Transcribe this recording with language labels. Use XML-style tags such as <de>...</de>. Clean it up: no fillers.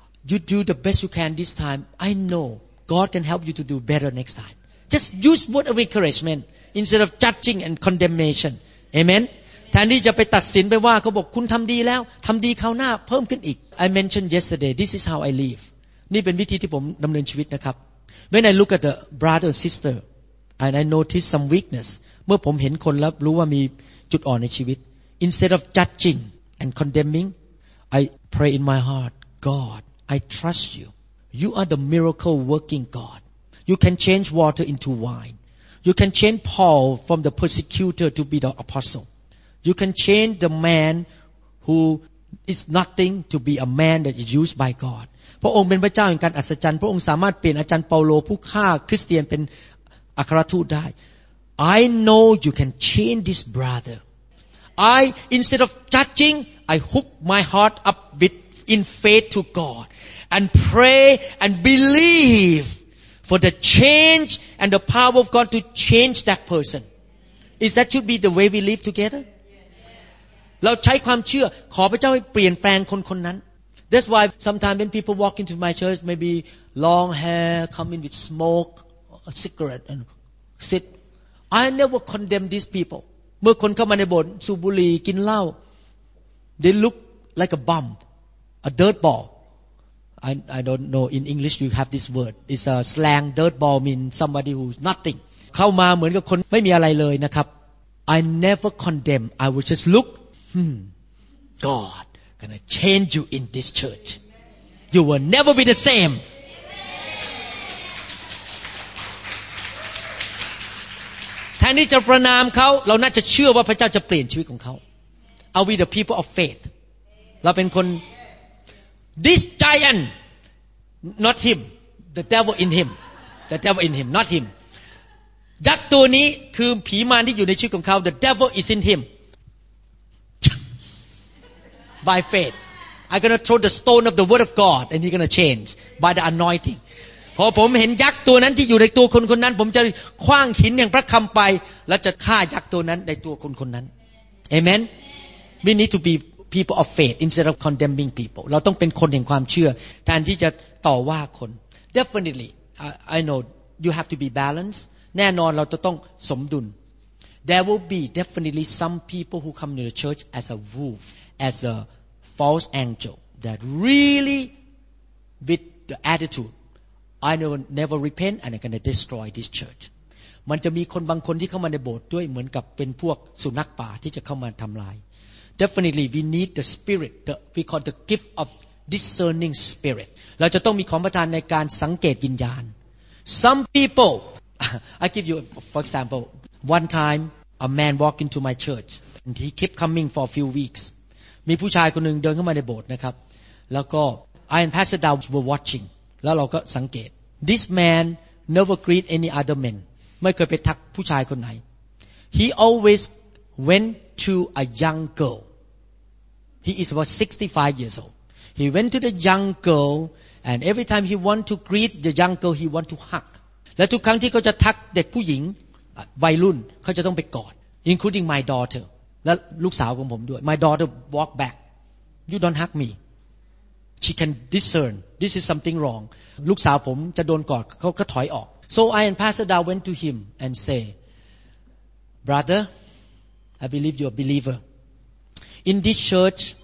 <en>you do the best you can this time I know God can help you to do better next time just use word of encouragement instead of judging and condemnation</en> <th>เอเมนแทนที่จะไปตัดสินไปว่าเขาบอกคุณทำดีแล้วทำดีคราวหน้าเพิ่มขึ้นอีก</th> <en>I mentioned yesterday this is how I live</en> <th>นี่เป็นวิธีที่ผมดำเนินชีวิตนะครับ</th> <en>When I look at the brother or sister, and I notice some weakness,</en> <th>เมื่อผมเห็นคนแล้วรู้ว่ามีจุดอ่อนในชีวิต,</th> <en>instead of judging and condemning, I pray in my heart, God, I trust you. You are the miracle working God. You can change water into wine. You can change Paul from the persecutor to be the apostle. You can change the man who is nothing to be a man that is used by God.</en> <th>พระองค์เป็นพระเจ้าแห่งการอัศจรรย์พระองค์สามารถเปลี่ยนอาจารย์เปาโลผู้ฆ่าคริสเตียนเป็นอัครทูตได้</th> <en>I know you can change this brother I instead of judging I hook my heart up with in faith to God and pray and believe for the change and the power of God to change that person is that should be the way we live together</en> <th>เราใช้ความเชื่อขอพระเจ้าให้เปลี่ยนแปลงคนคนนั้น</th> <en>That's why sometimes when people walk into my church, maybe long hair, come in with smoke, a cigarette, and sit. I never condemn these people.</en> <th>เมื่อคนเข้ามาในโบสถ์สูบบุหรี่กินเหล้า</th> <en>they look like a bum, a dirt ball. I don't know in English you have this word. It's a slang. Dirt ball means somebody who's nothing.</en> <th>เข้ามาเหมือนกับคนไม่มีอะไรเลยนะครับ</th> <en>I never condemn. I would just look. God. Gonna change you in this church. You will never be the same.</en> <th>แทนที่จะประนามเขาเราน่าจะเชื่อว่าพระเจ้าจะเปลี่ยนชีวิตของเขา</th> <en>Are we the people of faith?</en> <th>เราเป็นคน</th> <en>This giant, not him. The devil in him. The devil in him, not him.</en> <th>ยักษ์ตัวนี้คือผีมารที่อยู่ในชีวิตของเขา</th> <en>The devil is in him. By faith, I'm gonna throw the stone of the word of God, and he's gonna change by the anointing.</en> <th>พอผมเห็นยักษ์ตัวนั้นที่อยู่ในตัวคนคนนั้นผมจะคว้างหินอย่างพระคำไปและจะฆ่ายักษ์ตัวนั้นในตัวคนคนนั้น Amen.</th> <en>We need to be people of faith instead of condemning people.</en> <th>เราต้องเป็นคนแห่งความเชื่อแทนที่จะต่อว่าคน</th> <en>Definitely, I know you have to be balanced.</en> <th>แน่นอนเราจะต้องสมดุล</th> <en>There will be definitely some people who come to the church as a wolf. As a false angel that really with the attitude, I will never repent and I'm going to destroy this church.</en> <th>มันจะมีคนบางคนที่เข้ามาในโบสถ์ด้วยเหมือนกับเป็นพวกสุนัขป่าที่จะเข้ามาทำลาย</th> <en>Definitely we need the spirit, the, we call the gift of discerning spirit.</en> <th>เราจะต้องมีของประทานในการสังเกตวิญญาณ</th> <en>Some people, I give you for example, one time a man walked into my church and he kept coming for a few weeks.</en> <th>มีผู้ชายคนหนึ่งเดินเข้ามาในโบสถ์นะครับแล้วก็</th> <en>I and Pastor Dow were watching.</en> <th>แล้วเราก็สังเกต</th> <en>This man never greet any other men.</en> <th>ไม่เคยไปทักผู้ชายคนไหน</th> <en>He always went to a young girl. He is about 65 years old. He went to the young girl and every time he want to greet the young girl, he want to hug.</en> <th>และทุกครั้งที่เขาจะทักเด็กผู้หญิงวัยรุ่นเขาจะต้องไปกอด</th> <en>including my daughter</en> <th>และลูกสาวของผมด้วย</th> <en>my daughter walk back you don't hug me she can discern this is something wrong</en> <th>ลูกสาวผมจะโดนกอดเขาก็ถอยออก</th> <en>so I and Pastor Dow went to him and say brother I believe you're a believer in this church</en>